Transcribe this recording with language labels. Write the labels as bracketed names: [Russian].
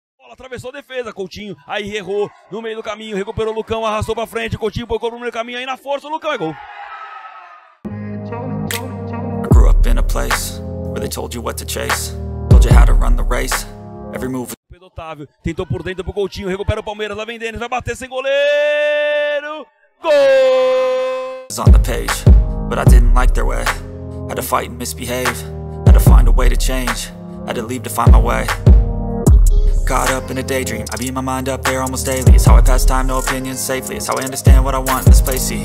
[Portuguese] Atravessou a defesa, Coutinho, aí errou no meio do caminho, recuperou o Lucão, arrastou pra frente, Coutinho pôr no meio do caminho, aí na força, o Lucão é gol. [English] I grew up in a place where they told you what to chase, told you how to run the race, every move. [Portuguese] Pedro Otávio tentou por dentro pro Coutinho, recupera o Palmeiras, lá vem Denis, vai bater sem goleiro, gol! [English] On the page, but I didn't like their way, had to fight and misbehave, had to find a way to change, had to leave to find my way. Caught up in a daydream, I beat my mind up there almost daily. It's how I pass time, no opinions safely. It's how I understand what I want in this place.